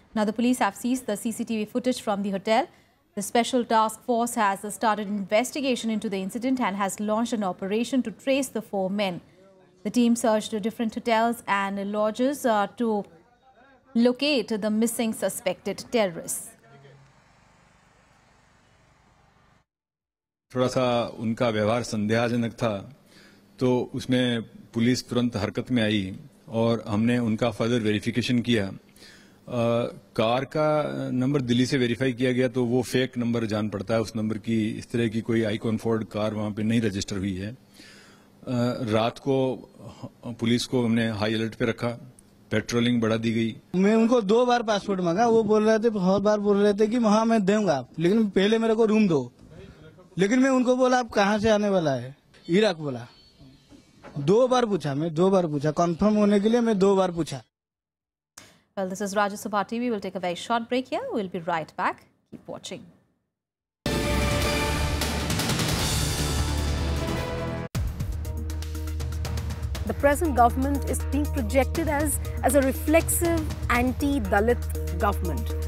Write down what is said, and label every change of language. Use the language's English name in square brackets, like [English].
[English] Now, the police have seized the CCTV footage from the hotel. The special task force has started investigation into the incident and has launched an operation to trace the four men. The team searched different hotels and lodges to locate the missing suspected terrorists. [Hindi] थोड़ा सा उनका व्यवहार संदेहजनक था तो उसमें police तुरंत हरकत में आई और हमने उनका फर्दर वेरिफिकेशन किया. कार का नंबर दिल्ली से वेरीफाई किया गया तो वो फेक नंबर जान पड़ता है. उस नंबर की इस तरह की कोई आईकॉन फोर्ड कार वहां पे नहीं रजिस्टर हुई है. रात को पुलिस को हमने हाई अलर्ट पे रखा, पेट्रोलिंग बढ़ा दी गई. मैं उनको दो बार पासपोर्ट मांगा, वो बोल रहे थे, बहुत बार बोल रहे थे कि वहां मैं दूंगा लेकिन पहले मेरे को रूम दो. लेकिन मैं उनको बोला आप कहाँ से आने वाला है, इराक बोला. दो बार पूछा कंफर्म होने के लिए मैं दो बार पूछा. [English] Well, this is Rajya Sabha TV. We'll take a very short break here. We'll be right back. Keep watching. The present government is being projected as a reflexive anti-Dalit government.